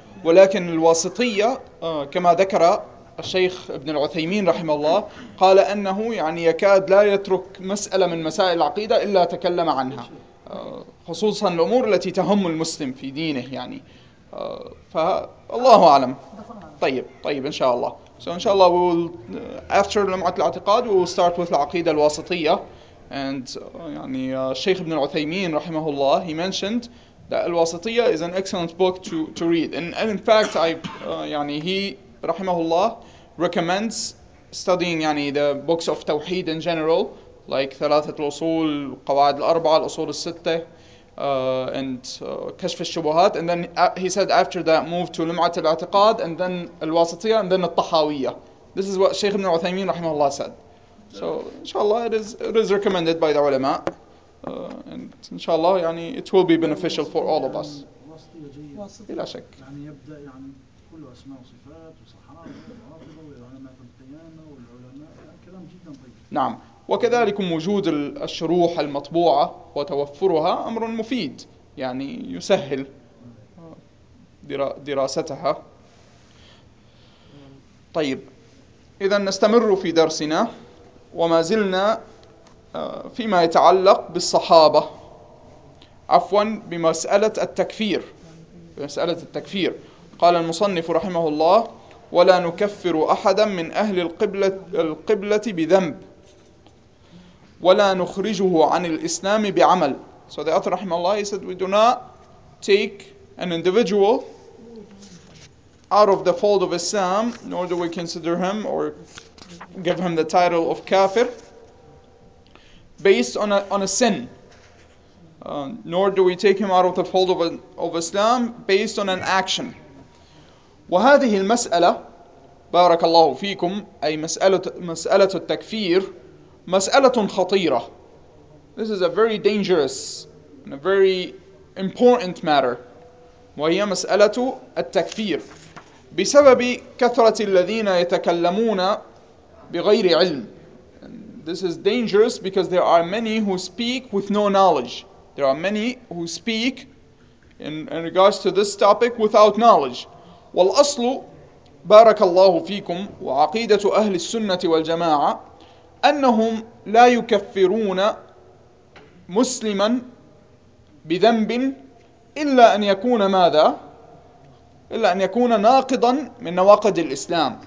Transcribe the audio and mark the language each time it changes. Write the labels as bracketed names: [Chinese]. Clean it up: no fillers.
[Arabic] ولكن الواسطية كما ذكر الشيخ ابن العثيمين رحمه الله، قال أنه يعني يكاد لا يترك مسألة من مسائل العقيدة إلا تكلم عنها، خصوصا الأمور التي تهم المسلم في دينه يعني. فالله أعلم. طيب إن شاء الله. [English] So إن شاء الله we'll after لمعة الاعتقاد we'll start with العقيدة الواسطية. And يعني الشيخ ابن العثيمين رحمه الله he mentioned that الواسطية is an excellent book to read. And in fact, يعني he رحمه الله recommends studying يعني the books of توحيد in general, like ثلاثة الأصول، قواعد الأربعة، الأصول الستة، and كشف الشبهات. And then he said after that move to لمعة الاعتقاد and then الواسطية and then الطحاوية. This is what الشيخ ابن العثيمين رحمه الله said. So إن شاء الله it is recommended by the علماء. And إن شاء الله يعني it will be beneficial for all of us. [Arabic] بلا شك. يعني يبدأ يعني كل أسماء وصفات وصحابة والعلماء القيامة والعلماء، كلام جدا طيب. نعم، وكذلك وجود الشروح المطبوعة وتوفرها أمر مفيد، يعني يسهل دراستها. طيب، إذا نستمر في درسنا وما زلنا فيما يتعلق بالصحابة، عفوا بمسألة التكفير. قال المصنف رحمه الله ولا نكفر أحدا من أهل القبلة بذنب ولا نخرجه عن الإسلام بعمل. [English] So the author رحمه الله, he said, we do not take an individual out of the fold of Islam, nor do we consider him or give him the title of kafir based on a sin. Nor do we take him out of the fold of Islam based on an action. [Arabic] وهذه المسألة بارك الله فيكم أي مسألة التكفير مسألة خطيرة. [English] This is a very dangerous and a very important matter. [Arabic] وهي مسألة التكفير بسبب كثرة الذين يتكلمون بغير علم. [English] And this is dangerous because there are many who speak with no knowledge. There are many who speak in regards to this topic without knowledge. [Arabic] والأصل بارك الله فيكم وعقيدة أهل السنة والجماعة أنهم لا يكفرون مسلما بذنب إلا أن يكون ماذا؟ إلا أن يكون ناقضا من نواقض الإسلام.